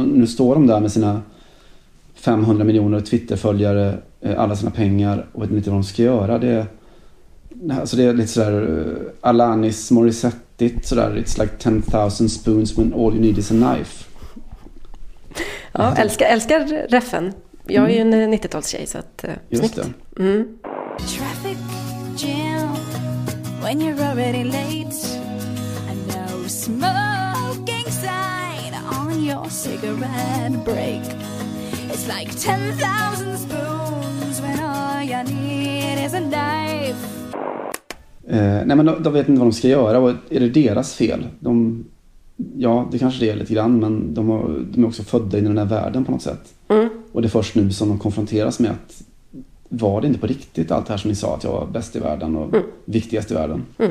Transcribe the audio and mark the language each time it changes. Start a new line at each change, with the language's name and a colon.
Swedish: Och nu står de där med sina 500 miljoner Twitterföljare, alla sina pengar och vet inte vad de ska göra. Det, alltså det är lite sådär Alanis Morissettigt sådär,
English: it's like 10,000 spoons when all you need is a knife.
Swedish: Ja, älskar reffen. Jag är ju en 90-talstjej, så att just det.
English: Traffic jam when you're already late. A no smoking sign on your cigarette break. It's like 10,000 spoons when all you need is a knife.
Swedish: Nej, men de vet inte vad de ska göra. Och är det deras fel? Ja, det kanske det är lite grann, men de är också födda in i den här världen på något sätt. Och det är först nu som de konfronteras med att var det inte på riktigt allt det här som ni sa, att jag var bäst i världen och viktigast i världen.